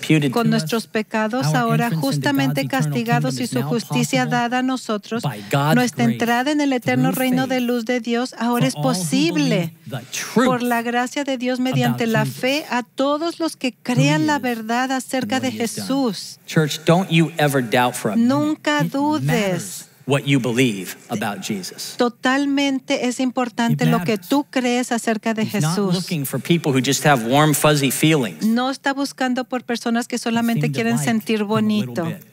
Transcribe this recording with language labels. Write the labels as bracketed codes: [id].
[es] Con nuestros pecados ahora justamente castigados y su justicia dada a nosotros, nuestra entrada en el eterno reino de luz de Dios ahora es posible por la gracia de Dios mediante la fe a todos los que crean la verdad acerca de Jesús. [en] Church, don't you ever doubt for a minute. [es] Nunca dudes. [en] What you believe about Jesus. [es] Totalmente es importante lo que tú crees acerca de Jesús. [en] He's not looking for people who just have warm, fuzzy feelings. [es] No está buscando por personas que solamente quieren sentir bonito.